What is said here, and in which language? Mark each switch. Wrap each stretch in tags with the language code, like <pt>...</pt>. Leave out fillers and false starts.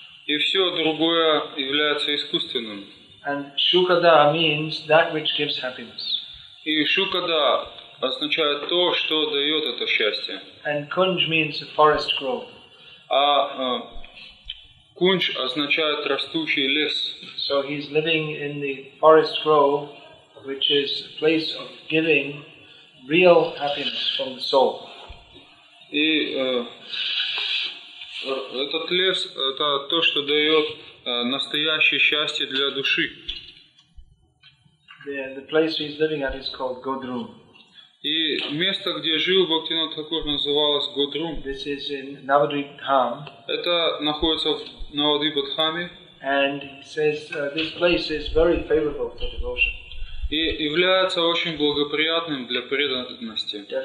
<ru>И все другое является искусственным.</ru> <en>And shukada means that which gives happiness.</en> <ru>И shukada означает то, что дает это счастье.</ru> <en>And kunj means a forest grove.</en> <ru>А кунж означает растущий лес.</ru> <en>So he's living in the forest grove, which is a place of giving real happiness from the soul.</en> <ru>И этот лес это то, что дает настоящее счастье для души.</ru> <en>The place he's living at is called Godrum.</en> <ru>И место, где жил Бхактинат Хакур, называлось Годрум.</ru> <en>This is in Navadvip Dham.</en> <ru>Это находится в Навадвипадхаме.</ru> <en>And he says this place is very favorable for devotion.</en> <ru>И является очень благоприятным для преданности.</ru>